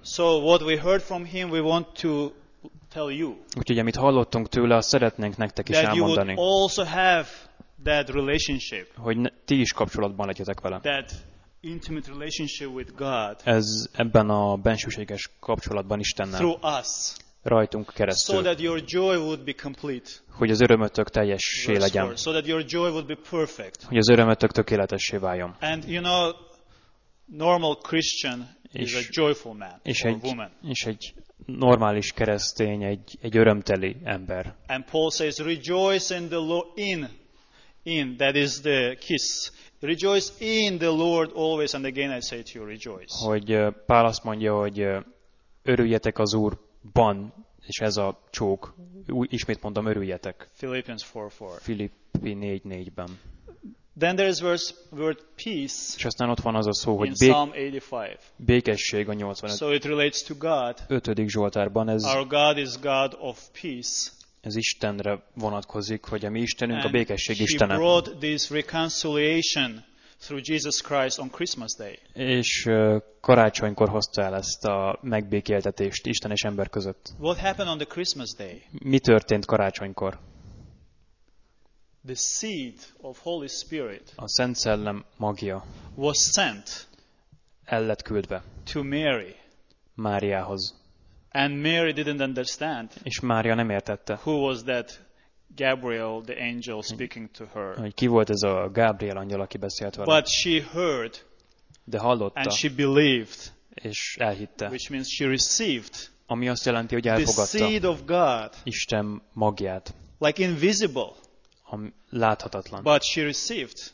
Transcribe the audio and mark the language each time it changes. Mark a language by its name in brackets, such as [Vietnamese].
[English] So what we heard from him, we want to tell you. [Hungarian] Úgyhogy amit hallottunk tőle, azt szeretnénk nektek is [English] that [Hungarian] elmondani. [English] That you would also have that relationship. [Hungarian] Hogy ti is kapcsolatban legyetek vele. [English] That intimate relationship with God. [Hungarian] Ez ebben a bensőséges kapcsolatban Istennel. [English] Through us. [Hungarian] Rajtunk keresztül. [English] So that your joy would be complete. [Hungarian] Hogy az örömötök teljessé legyen. [English] So that your joy would be perfect. [Hungarian] Hogy az örömötök tökéletessé váljon. [English] And you know, normal Christian is a joyful man or woman. [Hungarian] És egy normális keresztény egy örömteli ember. [English] And Paul says, rejoice in the Lord in that is the kiss. Rejoice in the Lord always and again I say to you rejoice. [Hungarian] Hogy Pál azt mondja, hogy örüljetek az Úrban, és ez a csók. Ismét mondom, örüljetek. [English] Philippians 4:4. [Hungarian] Filippi 4:4-ben. [English] Then there is word peace. [Hungarian] És aztán ott van az a szó, hogy [English] Psalm 85. [Hungarian] Békesség a 85. [English] So it relates to God. [Hungarian] 5. Zsoltárban ez. [English] Our God is God of peace. [Hungarian] Ez Istenre vonatkozik, hogy a mi Istenünk a békesség Istene. [English] Brought this reconciliation through Jesus Christ on Christmas Day. [Hungarian] És karácsonykor hozta el ezt a megbékéltetést Isten és ember között. [English] What happened on the Christmas Day? [Hungarian] Mi történt karácsonykor? [English] The seed of Holy Spirit. [Hungarian] A Szent Szellem magja. [English] Was sent. [Hungarian] El lett küldve. [English] To Mary. [Hungarian] Máriához. [English] And Mary didn't understand. [Hungarian] És Mária nem értette. [English] Who was that Gabriel, the angel speaking to her? [Hungarian] Ki volt ez a Gabriel angyal, aki beszélt vele? [English] But she heard. [Hungarian] De hallotta. [English] And she believed. [Hungarian] És elhitte. [English] Which means she received. [Hungarian] Ami azt jelenti, hogy elfogadta. [English] The seed of God. [Hungarian] Isten magját. [English] Like invisible. [Hungarian] Láthatatlan. [English] But she received.